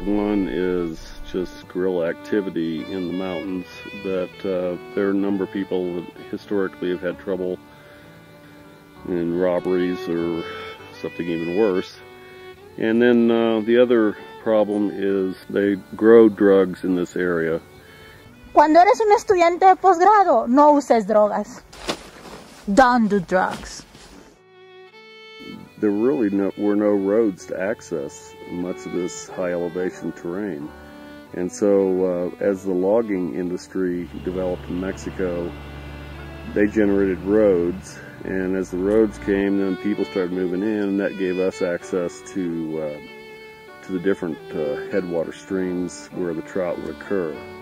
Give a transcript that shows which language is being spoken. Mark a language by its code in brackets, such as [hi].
[en] One is just guerrilla activity in the mountains that there are a number of people that historically have had trouble in robberies or something even worse. And then the other problem is they grow drugs in this area. [es] Cuando eres un estudiante de posgrado, no uses drogas. [en] Don't do drugs. There really were no roads to access much of this high elevation terrain. And so as the logging industry developed in Mexico, they generated roads. And as the roads came, then people started moving in, and that gave us access to the different headwater streams where the trout would occur.